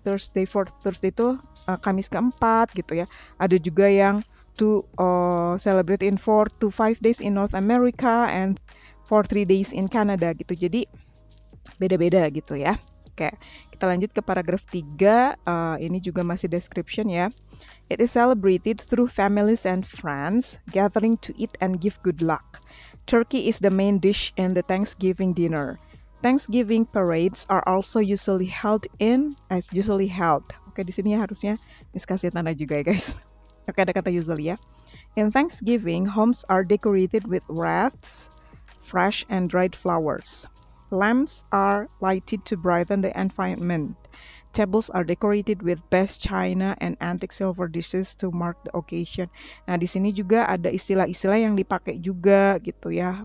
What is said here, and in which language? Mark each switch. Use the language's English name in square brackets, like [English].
[English] Thursday for Thursday [Indonesian] itu Kamis keempat gitu ya. Ada juga yang [English] to celebrate in 4 to 5 days in North America and 4 3 days in Canada gitu. [Indonesian] Jadi beda-beda gitu ya. Oke, kita lanjut ke paragraf 3. Ini juga masih description ya. [English] It is celebrated through families and friends gathering to eat and give good luck. Turkey is the main dish in the Thanksgiving dinner. Thanksgiving parades are also usually held in as usually held. [Indonesian] Oke, di sini ya harusnya miskasih tanda juga ya, guys. Oke, ada kata usually ya. [English] In Thanksgiving, homes are decorated with wreaths, fresh and dried flowers. Lamps are lighted to brighten the environment. Tables are decorated with best china and antique silver dishes to mark the occasion. [Indonesian] Nah, di sini juga ada istilah-istilah yang dipakai juga gitu ya.